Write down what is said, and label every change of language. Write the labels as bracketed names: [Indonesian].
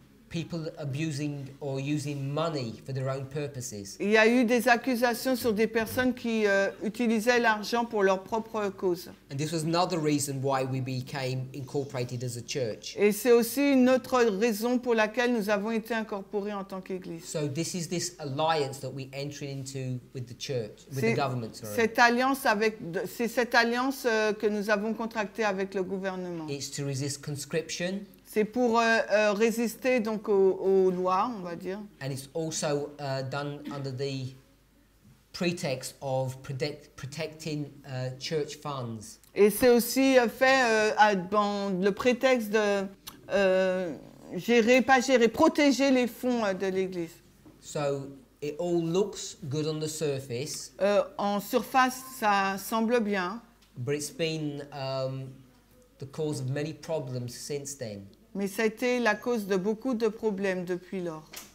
[English] people abusing or using money for their own purposes. [French] Il y a eu des accusations sur des personnes qui utilisaient l'argent pour leur propre cause. [English] And this was another reason why we became incorporated as a church. [French] Et c'est aussi une autre raison pour laquelle nous avons été incorporés en tant qu'église. [English] So this is this alliance that we entered into with the church, with the government. Sorry. [French] C'est cette alliance que nous avons contractée avec le gouvernement. [English] It's to resist conscription. [French] C'est pour résister donc aux lois, on va dire. [English] And it's also done under the pretext of protecting church funds. [French] Et c'est aussi fait dans le prétexte de protéger les fonds de l'Église. [English] So it all looks good on the surface. [French] En surface, ça semble bien. [English] But it's been the cause of many problems since then. [French] Mais ça a été la cause de beaucoup de problèmes depuis lors.